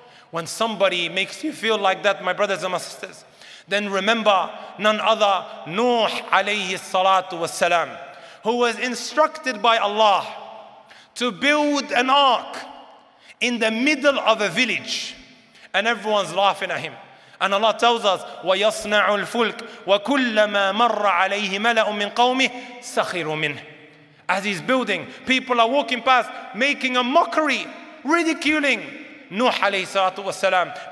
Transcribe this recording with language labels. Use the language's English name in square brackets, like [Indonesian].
[English] When somebody makes you feel like that, my brothers and my sisters, then remember none other, Nuh alayhi salatu wasalam, who was instructed by Allah to build an ark in the middle of a village. And everyone's laughing at him. And Allah tells us, [Arabic] وَيَصْنَعُ الْفُلْكُ وَكُلَّمَا مَرَّ عَلَيْهِ مَلَأٌ مِّن قَوْمِهِ سَخِرُ مِنْهِ. [English] As he's building, people are walking past, making a mockery, ridiculing Nuh alayhi salatu wasalam.